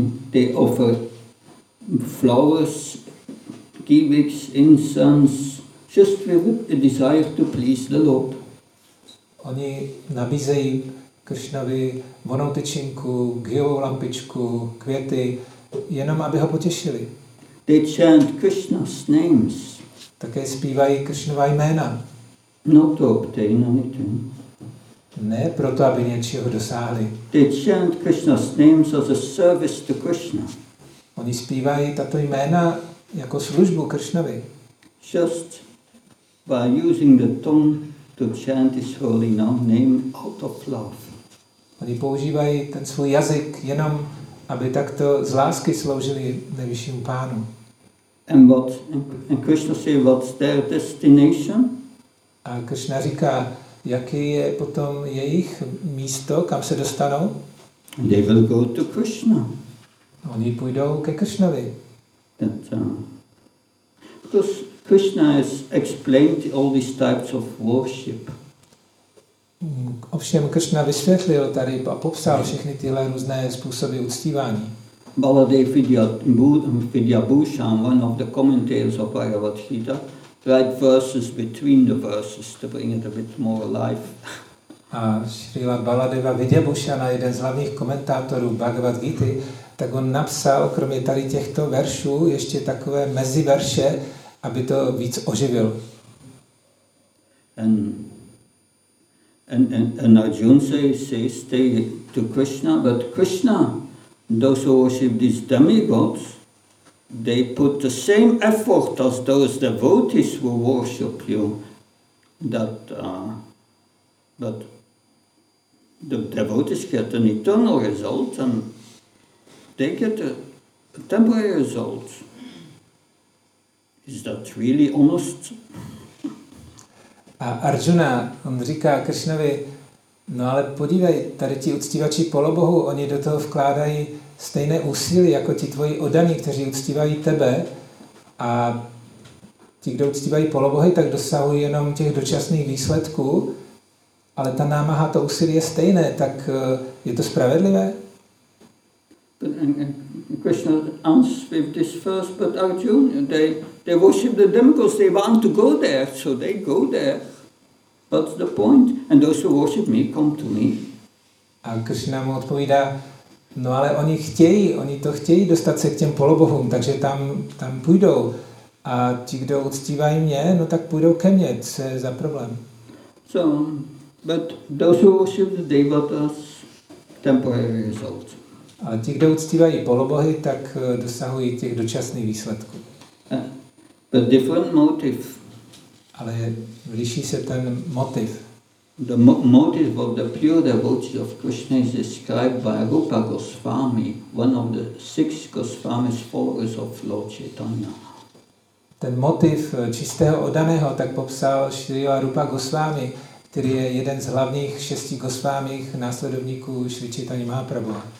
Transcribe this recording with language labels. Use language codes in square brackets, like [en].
[en] They offer flowers, gifts, incense, just with a desire to please the Lord. [cs] Oni nabízejí Kršnovi vonou tyčinku, ghiovou lampičku, květy, jenom aby ho potěšili. [en] They chant Krishna's names. [cs] Také zpívají Kršnova jména. [en] Not to obtain anything. [cs] Ne proto, aby něčeho dosáhli. [en] They chant Krishna's names as a service to Krishna. [cs] Oni zpívají tato jména jako službu Kršnovi. [en] Just by using the tongue to chant his holy name out of love. [cs] Oni používají ten svůj jazyk jenom, aby takto z lásky sloužili nejvyššímu pánu. [en] And Krishna say, what's their destination? [cs] A Krishna říká, jaký je potom jejich místo, kam se dostanou? [en] They will go to Krishna. [cs] Oni půjdou ke Krishnovi. [en] Because Krishna has explained all these types of worship. [cs] Ovšem Krishna vysvětlil tady a popsal všechny tyhle různé způsoby uctívání. [en] Baladev Vidyabhushan, one of the commentators of Bhagavad Gita, write verses between the verses to bring it a bit more alive. [cs] A Srila Baladeva Vidyabhushana, jeden z hlavních komentátorů Bhagavad Gita, tak on napsal, kromě tady těchto veršů, ještě takové meziverše, aby to víc oživil. [en] And Arjuna says, stay to Krishna, but Krishna, those who worship these demigods, they put the same effort as those devotees who worship you. But the devotees get an eternal result, and they get a temporary result. Is that really honest? [cs] A Arjuna, on říká Kršnovi, no ale podívej, tady ti uctívači polobohu, oni do toho vkládají stejné úsilí jako ti tvoji oddaní, kteří uctívají tebe, a ti, kdo uctívají polobohy, tak dosahují jenom těch dočasných výsledků, ale ta námaha, to úsilí je stejné, tak je to spravedlivé? [en] Krishna answers with this first, but Arjuna, they worship the demigods, they want to go there, so they go there. What's the point? And those who worship me come to me. [cs] A Krishna mu odpovídá, no ale oni to chtějí dostat se k těm polobohům, takže tam půjdou. A ti, kdo uctívají mě, no tak půjdou ke mně, co je za problém? [en] So, but those who worship the devatas, temporary results. [cs] A ti, kdo uctívají polobohy, tak dosahují těch dočasných výsledků. [en] But different motive. [cs] Ale liší se ten motiv. [en] The motive of the pure devotee of Krishna is described by Rupa Goswami, one of the six Goswami's followers of Lord Chaitanya. [cs] Ten motiv čistého oddaného tak popsal Srila Rupa Goswami, který je jeden z hlavních šesti Gosvámích následovníků Šri Chaitanya Mahaprabhu.